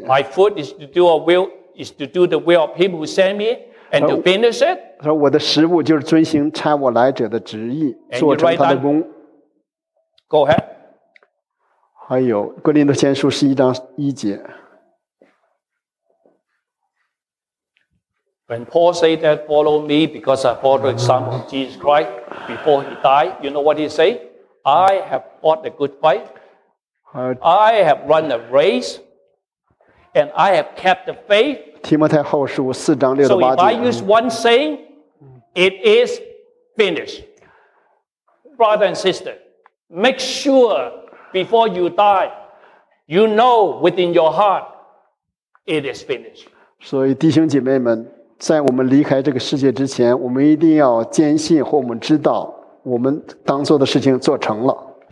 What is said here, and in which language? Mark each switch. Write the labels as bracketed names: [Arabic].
[English] My food is to do a will is to do the will of him who sent me and to finish it. [Chinese] 说我的食物就是遵行差我来者的旨意， 做成他的功。 [English] Go ahead. [Chinese] 还有哥林多前书11章1节。 [English] When Paul said that, follow me because I follow the example of Jesus Christ before he died, you know what he said? I have fought a good fight. I have run a race. And I have kept the faith. [Chinese] 提摩太后书4章6到8节。 [English] So if I use one saying, it is finished. Brother and sister, make sure before you die, you know within your heart, it is finished. [Chinese] 所以弟兄姐妹们, 在我们离开这个世界之前， 我们一定要坚信或我们知道， 我们当做的事情做成了。